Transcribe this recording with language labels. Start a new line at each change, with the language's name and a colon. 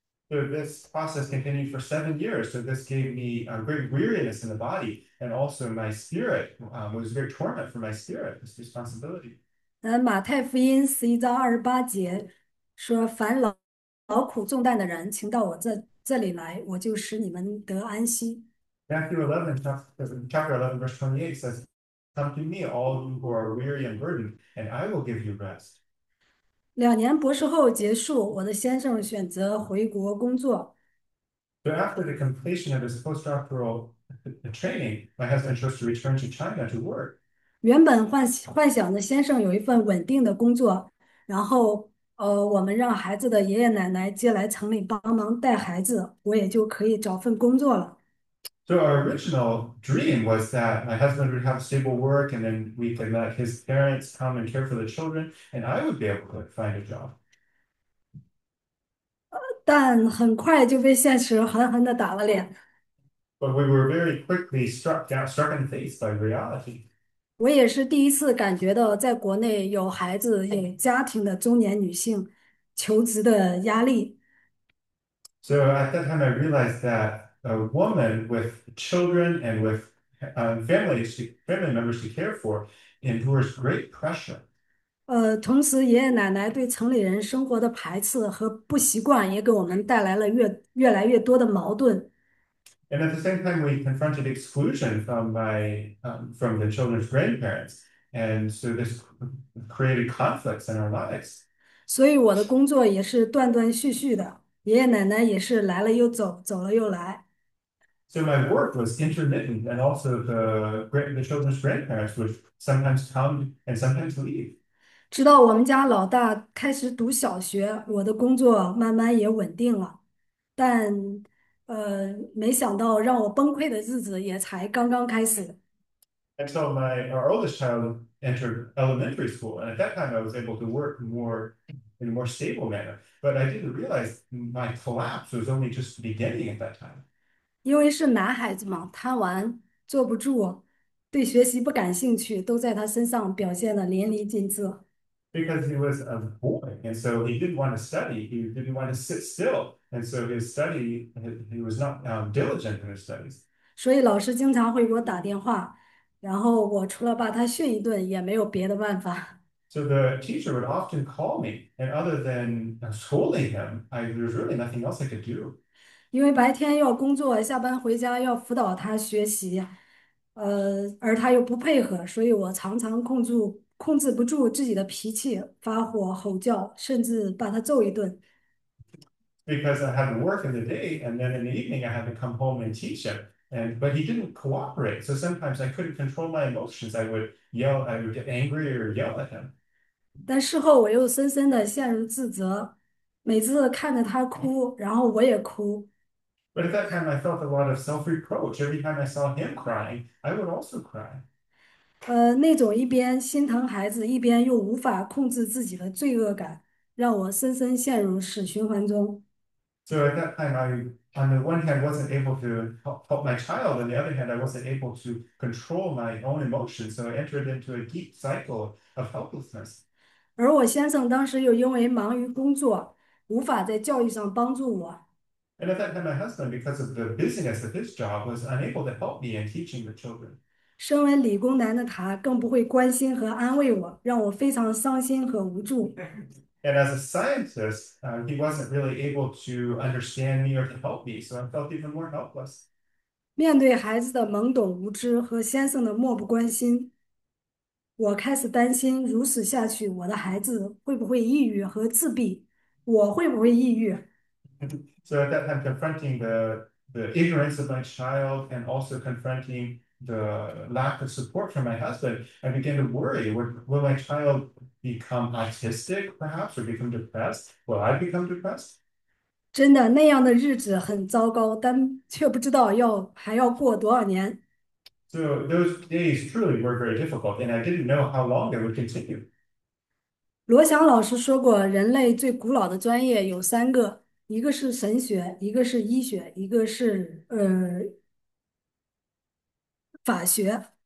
English: So this process continued for 7 years. So this gave me a great weariness in the body, and also my spirit was very torment for my spirit, this responsibility.
Chinese: 马太福音11:28说：“凡劳苦重担的人，请到我这里来，我就使你们得安息。
English: Matthew 11, chapter 11, verse 28 says, "Come to me, all you who are weary and burdened, and I will give you rest."
Chinese: ”2年博士后结束，我的先生选择回国工作。
English: So after the completion of his postdoctoral training, my husband chose to return to China to work.
Chinese: 原本幻想的先生有一份稳定的工作，然后，我们让孩子的爷爷奶奶接来城里帮忙带孩子，我也就可以找份工作了。
English: So our original dream was that my husband would have stable work, and then we could let his parents come and care for the children, and I would be able to find a job.
Chinese: 但很快就被现实狠狠地打了脸。
English: But we were very quickly struck in the face by reality.
Chinese: 我也是第一次感觉到，在国内有孩子、有家庭的中年女性，求职的压力。
English: So at that time, I realized that a woman with children and with family members to care for endures great pressure.
Chinese: 同时爷爷奶奶对城里人生活的排斥和不习惯，也给我们带来了越来越多的矛盾。
English: And at the same time, we confronted exclusion from from the children's grandparents. And so this created conflicts in our lives.
Chinese: 所以我的工作也是断断续续的，爷爷奶奶也是来了又走，走了又来。
English: So my work was intermittent, and also the children's grandparents would sometimes come and sometimes leave.
Chinese: 直到我们家老大开始读小学，我的工作慢慢也稳定了，但，没想到让我崩溃的日子也才刚刚开始。
English: And so our oldest child entered elementary school, and at that time I was able to work more in a more stable manner. But I didn't realize my collapse was only just beginning at that time.
Chinese: 因为是男孩子嘛，贪玩，坐不住，对学习不感兴趣，都在他身上表现得淋漓尽致。
English: Because he was a boy, and so he didn't want to study. He didn't want to sit still, and so he was not diligent in his studies.
Chinese: 所以老师经常会给我打电话，然后我除了把他训一顿，也没有别的办法。
English: So the teacher would often call me, and other than scolding him, there was really nothing else I could do.
Chinese: 因为白天要工作，下班回家要辅导他学习，而他又不配合，所以我常常控制不住自己的脾气，发火、吼叫，甚至把他揍一顿。
English: Because I had to work in the day, and then in the evening I had to come home and teach him. But he didn't cooperate. So sometimes I couldn't control my emotions. I would get angry or yell at him.
Chinese: 但事后我又深深的陷入自责，每次看着他哭，然后我也哭。
English: But at that time, I felt a lot of self-reproach. Every time I saw him crying, I would also cry.
Chinese: 那种一边心疼孩子，一边又无法控制自己的罪恶感，让我深深陷入死循环中。
English: So at that time, on the one hand, I wasn't able to help my child. On the other hand, I wasn't able to control my own emotions. So I entered into a deep cycle of helplessness.
Chinese: 而我先生当时又因为忙于工作，无法在教育上帮助我。
English: And at that time, my husband, because of the busyness of his job, was unable to help me in teaching the children.
Chinese: 身为理工男的他，更不会关心和安慰我，让我非常伤心和无助。
English: And as a scientist, he wasn't really able to understand me or to help me, so I felt even more helpless.
Chinese: 面对孩子的懵懂无知和先生的漠不关心，我开始担心，如此下去，我的孩子会不会抑郁和自闭？我会不会抑郁？
English: So at that time, confronting the ignorance of my child and also confronting the lack of support from my husband, I began to worry, will my child become autistic, perhaps, or become depressed? Will I become depressed?
Chinese: 真的，那样的日子很糟糕，但却不知道还要过多少年。
English: So those days truly were very difficult, and I didn't know how long they would continue.
Chinese: 罗翔老师说过，人类最古老的专业有三个，一个是神学，一个是医学，一个是法学。